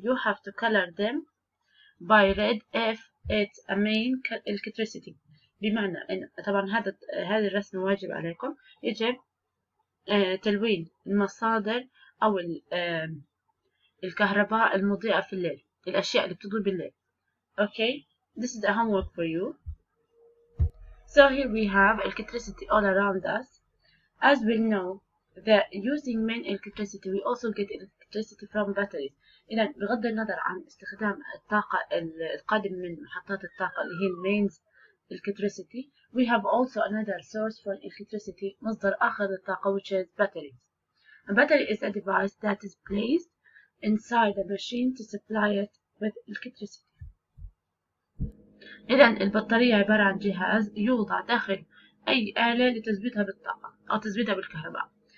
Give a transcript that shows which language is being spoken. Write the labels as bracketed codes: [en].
[en] You have to color them by red if it's a main electricity. [ar] بمعنى ان طبعا هذا الرسم واجب عليكم, يجب تلوين المصادر او الكهرباء المضيئة في الليل, الاشياء اللي بتضوي بالليل. [en] Okay, this is a homework for you. So here we have electricity all around us. As we know that using main electricity we also get electricity from batteries. [ar] إذا بغض النظر عن استخدام الطاقة القادمة من محطات الطاقة اللي هي [en] mains electricity, we have also another source for electricity, [ar] مصدر آخر للطاقة, [en] which is batteries. A battery is a device that is placed inside a machine to supply it with electricity. [ar] إذا البطارية عبارة عن جهاز يوضع داخل أي آلة لتزويدها بالطاقة أو تزويدها بالكهرباء.